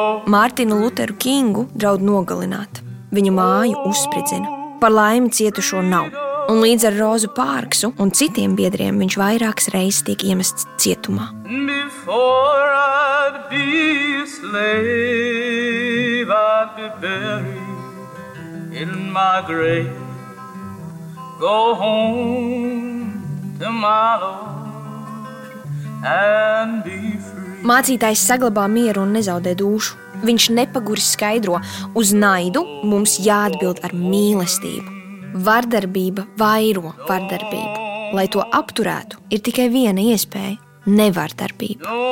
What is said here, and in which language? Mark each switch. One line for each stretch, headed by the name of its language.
Latvian: Mārtinu Luteru Kingu draud nogalināt. Viņu māju uzspridzina. Par laimi cietušo nav. Un līdz ar Rozu Pārksu un citiem biedriem viņš vairākas reizes tiek iemests cietumā.
English: Before I'd be a slave, I'd be buried in my grave. Go home tomorrow and be free.
Latvian: Mācītājs saglabā mieru un nezaudē dūšu. Viņš nepaguris skaidro, uz naidu mums jāatbild ar mīlestību. Vardarbība vairo vardarbību. Lai to apturētu, ir tikai viena iespēja – nevardarbība.